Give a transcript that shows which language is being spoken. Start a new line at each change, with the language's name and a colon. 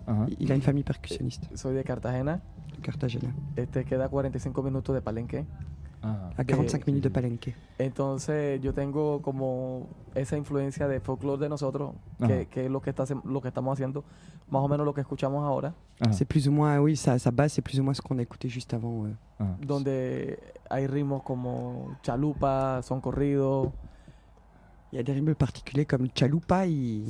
Spanish: Uh-huh. ¿Y la familia percusionista? Soy de Cartagena. Cartagena. Queda 45 minutos de Palenque. Ah, a 45 minutos de Palenque. Entonces yo tengo como esa influencia de folclore de nosotros, que es lo que estamos haciendo, más o menos lo que escuchamos ahora.
French: C'est plus ou moins, oui, sa base, c'est plus ou moins ce qu'on a écouté juste avant.
Spanish: Donde hay ritmos como chalupa, son corrido. Y hay ritmos particulares como chalupa y